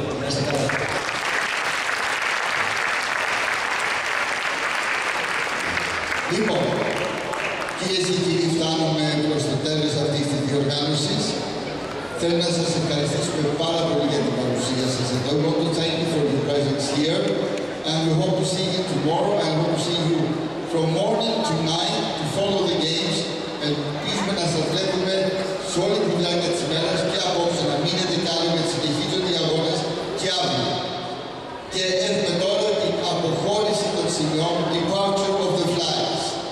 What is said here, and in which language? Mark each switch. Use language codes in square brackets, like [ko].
[el] Να είστε καλά. Λοιπόν, κυρίες και κύριοι, φτάνουμε προς το τέλος αυτής της διοργάνωσης. Θέλω να σας ευχαριστήσουμε πάρα πολύ για την παρουσία σας εδώ. [en] I want to thank you for your presence here. And we hope to see you tomorrow. I hope to see you from morning to night to follow the games. [el] Ελπίζουμε να σας βλέπουμε σε όλη τη διάρκεια της ημέρας και απόψε να μείνετε κάτω με τις συνεχίζουν οι αγώνες και αύριο. Και έχουμε τώρα την αποχώρηση των σημειών, [en] departure of the flags.